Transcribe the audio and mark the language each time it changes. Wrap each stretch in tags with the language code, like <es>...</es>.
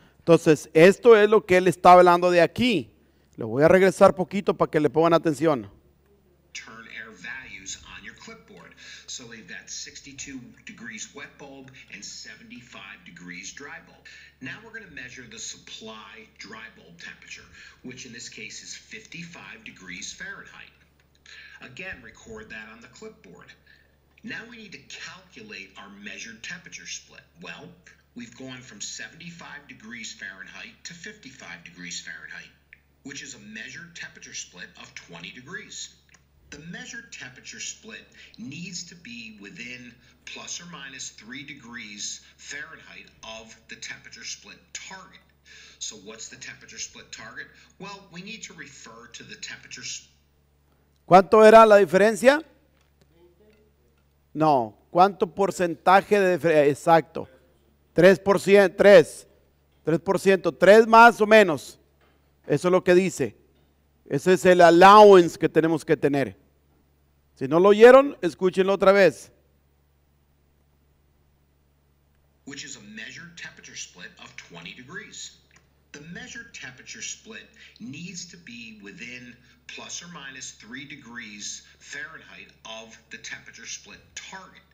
<es>Entonces, esto es lo que él está hablando de aquí. Lo voy a regresar poquito para que le pongan atención.</es> <en>Turn air values on your clipboard. So leave that 62 degrees wet bulb and 75 degrees dry bulb. Now we're going to measure the supply dry bulb temperature, which in this case is 55 degrees Fahrenheit. Again, record that on the clipboard. Now we need to calculate our measured temperature split. Well, we've gone from 75 degrees Fahrenheit to 55 degrees Fahrenheit, which is a measured temperature split of 20 degrees. The measured temperature split needs to be within plus or minus 3 degrees Fahrenheit of the temperature split target. So what's the temperature split target? Well, we need to refer to the temperature</en> <es>¿Cuánto era la diferencia? No, ¿cuánto porcentaje de diferencia? Exacto. 3%, 3 más o menos. Eso es lo que dice. Ese es el allowance que tenemos que tener. Si no lo oyeron, escúchenlo otra vez.</es> <en>Which is a measured temperature split of 20 degrees. The measured temperature split needs to be within plus or minus 3 degrees Fahrenheit of the temperature split target.</en>